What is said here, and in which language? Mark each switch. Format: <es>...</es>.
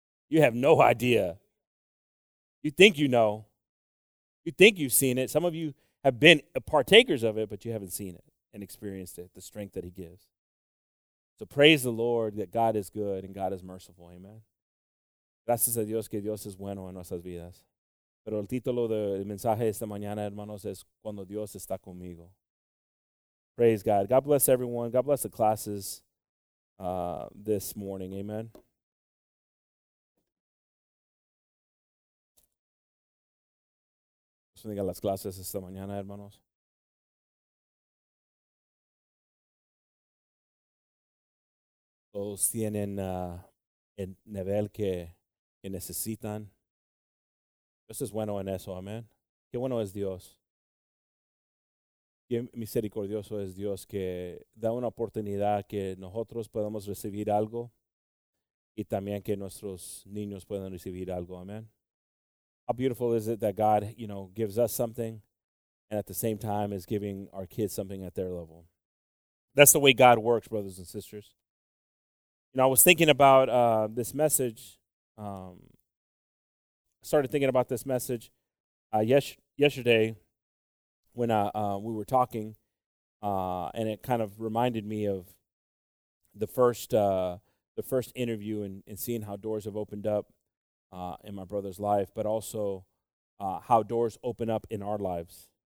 <en>You have no idea. You think you know. You think you've seen it. Some of you have been partakers of it, but you haven't seen it and experienced it, the strength that he gives. So praise the Lord that God is good and God is merciful. Amen.</en> <es>Gracias a Dios que Dios es bueno en nuestras vidas. Pero el título del mensaje esta mañana, hermanos, es Cuando Dios está conmigo.</es> <en>Praise God. God bless everyone. God bless the classes. This morning, amen.</en> <es>Dios bendiga las clases esta mañana, hermanos. Todos tienen el nivel que necesitan. Dios es bueno en eso, amén. Qué bueno es Dios. Qué misericordioso es Dios que da una oportunidad que nosotros podamos recibir algo y también que nuestros niños puedan recibir algo, amén.</es> <en>How beautiful is it that God, you know, gives us something and at the same time is giving our kids something at their level. That's the way God works, brothers and sisters. You know, I was thinking about this message. Started thinking about this message yesterday when we were talking, and it kind of reminded me of the first interview and seeing how doors have opened up in my brother's life, but also how doors open up in our lives.</en>